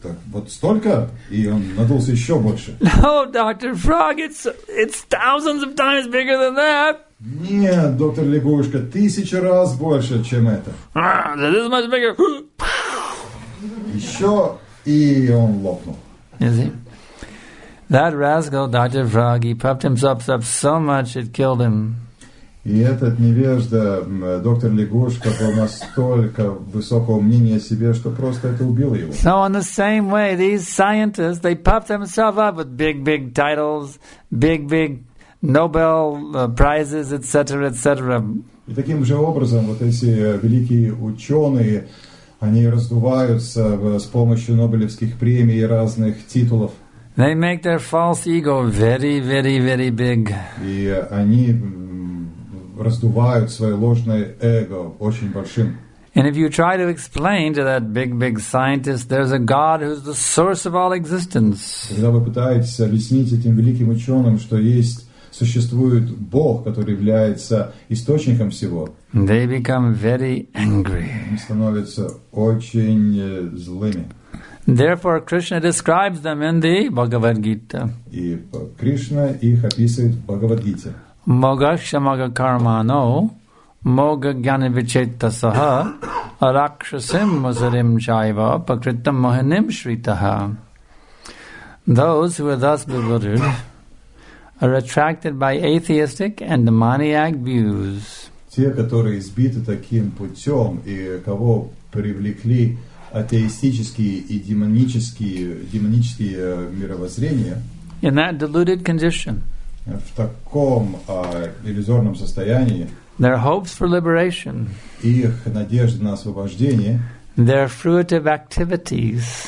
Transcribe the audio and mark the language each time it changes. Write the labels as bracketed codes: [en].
[ru] Вот столько, и он надулся еще больше. [en] No, Dr. Frog, it's thousands of times bigger than that. [ru] Нет, доктор Лягушка, тысячу раз больше, чем это. [en] This much bigger. [ru] Еще, и он лопнул. [en] Is he? That rascal, Dr. Frog, he puffed himself up so much it killed him. [ru] И этот невежда, доктор Лягушка, был настолько высокого мнения о себе, что просто это убило его. [en] So in the same way, these scientists, they puffed themselves up with big, big titles, big, big Nobel prizes, etc., etc. [ru] И таким же образом, вот эти великие ученые, они раздуваются с помощью Нобелевских премий и разных титулов. [en] They make their false ego very, very, very big. [ru] И они раздувают свое ложное эго очень большим. [en] And if you try to explain to that big, big scientist, there's a God who's the source of all existence. [ru] Когда вы пытаетесь объяснить этим великим ученым, что есть, существует Бог, который является источником всего, [en] they become very angry. [ru] Они становятся очень злыми. [en] Therefore, Krishna describes them in the Bhagavad Gita. [ru] И Кришна их описывает в Бхагавад Гите. [sa] Могаша мага кармано, мога гьяни вичетта саха, ракшасим мазарим чайва, пакритам моханим шритаха. [en] Those who are thus bewildered are attracted by atheistic and demoniac views. [ru] Те, которые избиты таким путем и кого привлекли атеистические и демонические мировоззрения. [en] In that deluded condition. [ru] В таком иллюзорном состоянии. [en] Their hopes for liberation. [ru] Их надежды на освобождение. [en] Their fruitive activities.